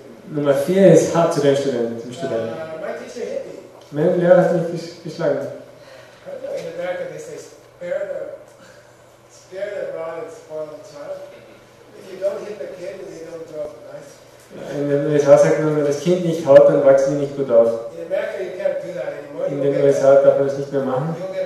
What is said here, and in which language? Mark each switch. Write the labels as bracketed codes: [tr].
[de] Nummer 4 ist hart zu den Studenten, zum Studenten. Mein Lehrer hat mich geschlagen. [en] In America they say, spare the rod and spoil the child. If you don't hit the kid, they don't grow up nice. [de] In den USA sagt man, wenn das Kind nicht haut, dann wachsen die nicht gut auf. [en] In America you can't do [de] in den USA darf man das nicht mehr machen.